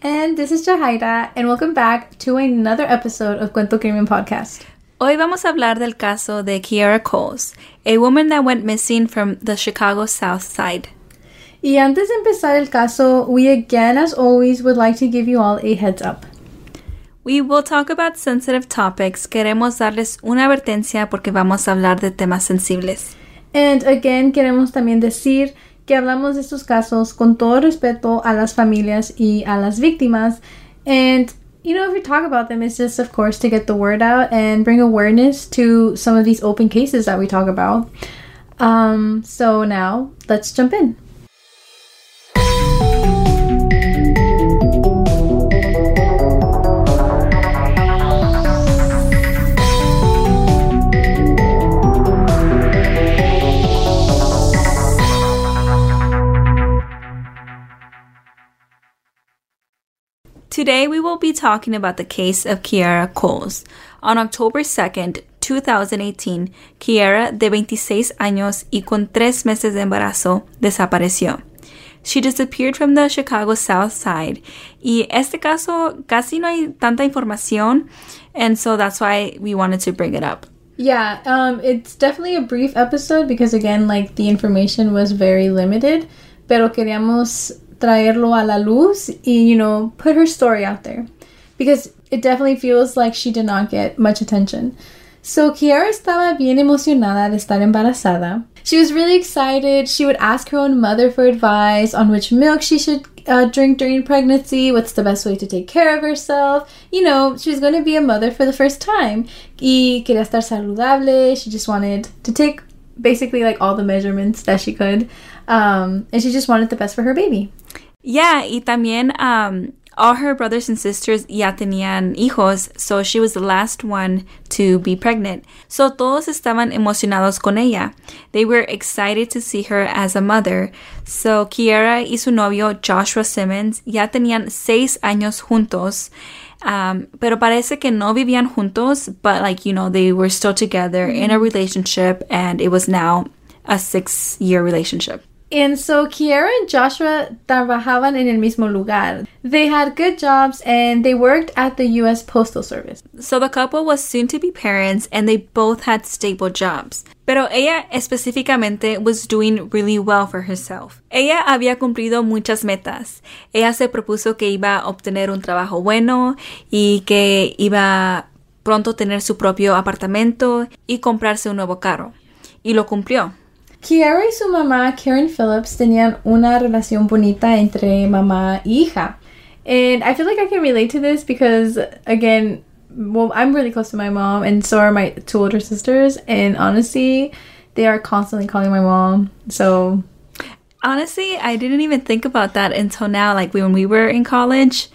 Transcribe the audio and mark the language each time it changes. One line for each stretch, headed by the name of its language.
English: And this is Jahaira, and welcome back to another episode of Cuento Crimen Podcast.
Spanish: Hoy vamos a hablar del caso de Kiara Coles,
English: a woman that went missing from the Chicago South Side.
Spanish: Y antes de empezar el caso,
English: we again, as always, would like to give you all a heads up. We will talk about sensitive topics.
Spanish: Queremos darles una advertencia porque vamos a hablar de temas sensibles.
English: And again,
Spanish: queremos también decir que hablamos de estos casos con todo respeto a las familias y a las víctimas.
English: And, you know, if we talk about them, it's just, of course, to get the word out and bring awareness to some of these open cases that we talk about. So now, let's jump in. Today, we will be talking about the case of Kiara Coles. On October 2, 2018,
Spanish: Kiara, de 26 años y con 3 meses de embarazo, desapareció.
English: She disappeared from the Chicago South Side.
Spanish: Y este caso, casi no hay tanta información,
English: and so that's why we wanted to bring it up. Yeah, it's definitely a brief episode because, again, like, the information was very limited,
Spanish: pero queríamos traerlo a la luz
English: and, you know, put her story out there because it definitely feels like she did not get much attention.
Spanish: So Kiara estaba bien emocionada de estar embarazada.
English: She was really excited. She would ask her own mother for advice on which milk she should drink during pregnancy, what's the best way to take care of herself. You know, she was going to be a mother for the first time.
Spanish: Y quería estar saludable.
English: She just wanted to take basically like all the measurements that she could. And she just wanted the best for her baby. Yeah,
Spanish: y también
English: all her brothers and sisters
Spanish: ya tenían hijos,
English: so she was the last one to be pregnant.
Spanish: So todos estaban emocionados con ella.
English: They were excited to see her as a mother. So Kiara
Spanish: y su novio Joshua Simmons ya tenían 6 años juntos, pero parece que no vivían juntos,
English: but like, you know, they were still together in a relationship, and it was now a 6-year relationship. And so
Spanish: Kiara and Joshua trabajaban en el mismo lugar.
English: They had good jobs and they worked at the U.S. Postal Service. So the couple was soon to be parents and they both had stable jobs.
Spanish: Pero ella específicamente
English: was doing really well for herself.
Spanish: Ella había cumplido muchas metas. Ella se propuso que iba a obtener un trabajo bueno y que iba pronto tener su propio apartamento y comprarse un nuevo carro. Y lo cumplió. Kiara y su mamá, Karen Phillips, tenían una relación bonita entre mamá e hija.
English: And I feel like I can relate to this because, again, well, I'm really close to my mom and so are my 2 older sisters. And honestly, they are constantly calling my mom. So, honestly, I didn't even think about that until now. Like, when we were in college,